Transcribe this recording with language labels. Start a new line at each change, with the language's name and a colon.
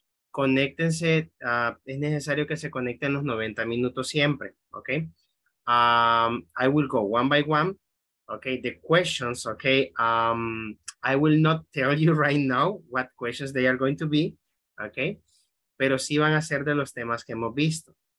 Spanish: Conéctense, es necesario que se conecten los 90 minutos siempre, okay?
English: I will go one by one, okay? The questions, okay? I will not tell you right now what questions they are going to be, okay?
Spanish: Pero sí van a ser de los temas que hemos visto.